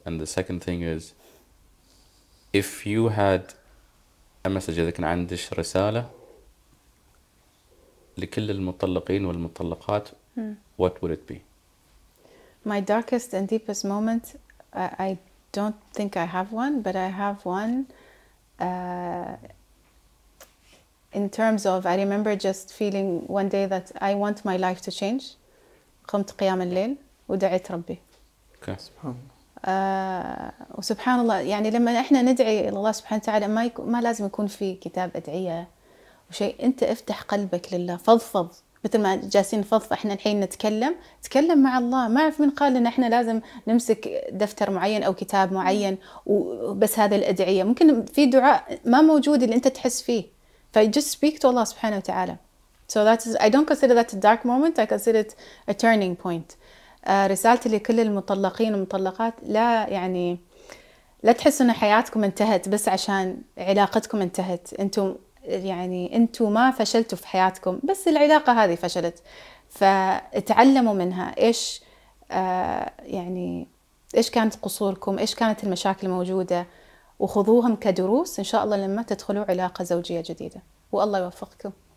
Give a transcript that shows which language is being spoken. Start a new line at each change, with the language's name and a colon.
English: And the second thing is, if you had a message,
Arabic: إذا كان عندش رسالة لكل المطلقين والمطلقات,
English: what would it be? My darkest and deepest moment, I don't think I have one, but I have one in terms of, I remember just feeling one day that I want my life to change.
Arabic: قمت قيام الليل ودعيت ربي. Okay, سبحان الله. وسبحان الله يعني لما احنا ندعي الله سبحانه وتعالى ما لازم يكون في كتاب أدعية وشيء، انت افتح قلبك لله، فضفض مثل ما جالسين فضف احنا الحين نتكلم، تكلم مع الله. ما اعرف من قال ان احنا لازم نمسك دفتر معين او كتاب معين وبس هذه الادعيه، ممكن في دعاء ما موجود اللي انت تحس فيه،
English: فجست speak to
Arabic: الله سبحانه وتعالى.
English: So that is, I don't consider that a dark moment, I consider it a turning point.
Arabic: رسالتي لكل المطلقين والمطلقات، لا يعني لا تحسوا ان حياتكم انتهت بس عشان علاقتكم انتهت. انتم يعني انتوا ما فشلتوا في حياتكم، بس العلاقة هذه فشلت، فتعلموا منها ايش يعني ايش كانت قصوركم، ايش كانت المشاكل الموجودة، وخذوهم كدروس ان شاء الله لما تدخلوا علاقة زوجية جديدة، والله يوفقكم.